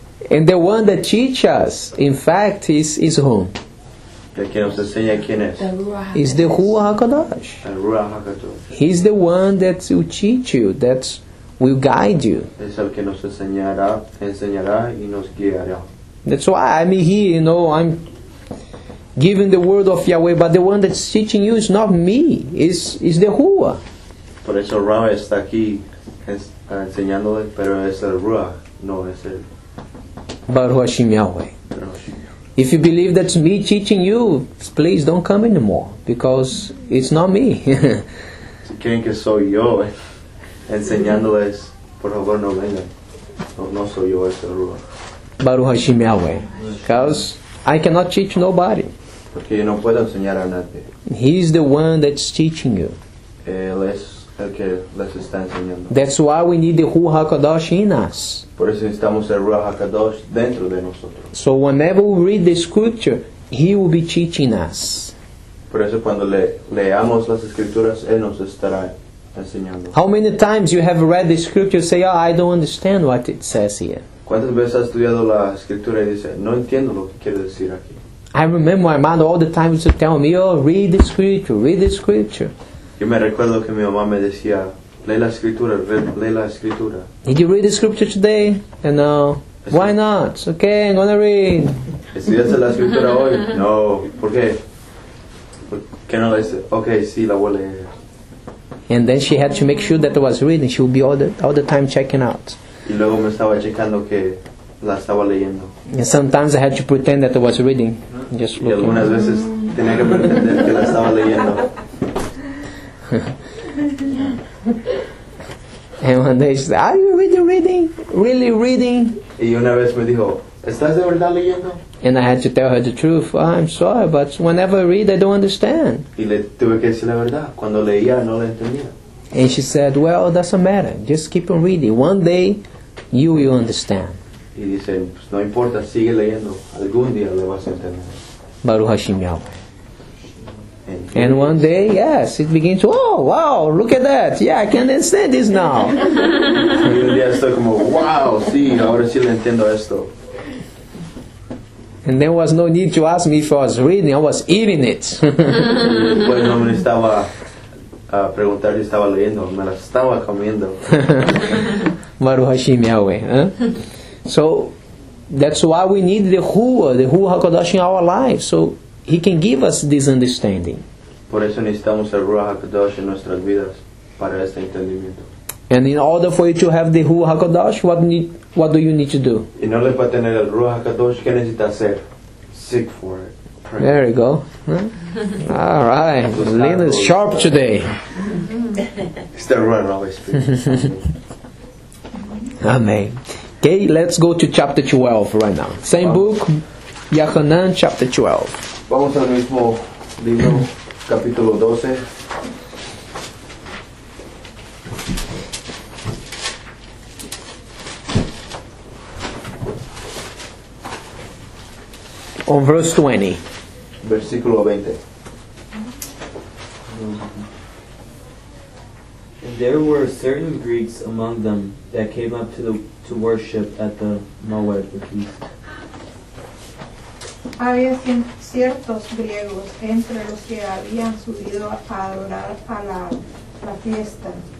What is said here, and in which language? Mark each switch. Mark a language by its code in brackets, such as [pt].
[en] And the one that teaches us, in fact, is whom? Is the Ruach HaKadosh. He's the one that will teach you, that's will guide you. [es] Es el que nos enseñará y nos guiará. [en] That's why I'm here, you know, I'm giving the word of Yahweh, but the one that's teaching you is not me, it's the Ruach. [es] Por eso Rab está aquí enseñándole, pero es el Ruach, no es el [he] Baruch Hashem Yahweh. [en] If you believe that's me teaching you, please don't come anymore, because it's not me. [es] Si creen que soy yo, enseñándoles, por favor no vengan. No soy yo, es el Ruach. [he] Baruch Hashem Yahweh. [en] Because I cannot teach nobody. [es] Porque yo no puedo enseñar a nadie. [en] He is the one that's teaching you. [es] Él es el que les está enseñando. [en] That's why we need the Ruach HaKadosh in us. [es] Por eso necesitamos el Ruach HaKadosh dentro de nosotros. [en] So whenever we read the scripture, he will be teaching us. [es] Por eso cuando leamos las escrituras, él nos estará enseñando. [en] How many times you have read the scripture say, oh, I don't understand what it says here. [es] ¿Cuántas veces has estudiado la escritura y dice, no entiendo lo que quiere decir aquí? [en] I remember my mom all the time used to tell me, oh, read the scripture. [es] Yo me recuerdo que mi mamá me decía, lee la escritura. [en] Did you read the scripture today? And no. Why not? Okay, I'm going to read. [es] ¿Estudiaste la escritura hoy? No. ¿Por qué? ¿Qué no la hice? Okay, sí, la voy a leer. [en] And then she had to make sure that I was reading. She would be all the time checking out. [es] Y luego me estaba checando que la estaba leyendo. [en] And sometimes I had to pretend that I was reading. Just [es] y algunas [en] looking. [es] Veces tenía que pretender que la estaba leyendo. [en] And one day she said, "Are you really reading? Really reading?" [es] Y una vez me dijo, "¿Estás de verdad leyendo?" [en] And I had to tell her the truth. Oh, I'm sorry, but whenever I read, I don't understand. [es] Y le tuve que decir la verdad. Cuando leía, no la entendía. [en] And she said, "Well, it doesn't matter. Just keep on reading. One day, you will understand." [es] Y dice, pues, no importa, sigue leyendo. Algún día lo vas a entender. [he] Baruch Hashem Yahweh. [en] And one day, yes, it begins, "Oh, wow, look at that. Yeah, I can understand this now." [es] Y un día estoy como, "Wow, sí, ahora sí le entiendo esto." [en] And there was no need to ask me if I was reading, I was eating it. [es] Pues no me estaba a preguntar si estaba leyendo, me la estaba comiendo. [he] Baruch Hashem Yahweh. [en] So, that's why we need the Ruach HaKodesh in our life, so He can give us this understanding. [es] Por eso necesitamos el Ruach HaKodesh en nuestras vidas, para este entendimiento. [en] And in order for you to have the Ruach HaKodesh, what do you need to do? [es] En order para tener el Ruach HaKodesh, ¿qué necesitas hacer? [en] Seek for it. Pray. There you go. All right. Lynn is sharp today. It's the Ruach HaKodesh. Amen. Okay, let's go to chapter 12 right now. Same Vamos. Book, Yohanan, chapter 12. [es] Vamos al mismo libro, capítulo 12. [en] On verse 20. [es] Versículo 20. [en] And there were certain Greeks among them that came up to the to worship at the Moed, the feast. [es] Había ciertos griegos entre los que habían subido a adorar a la fiesta.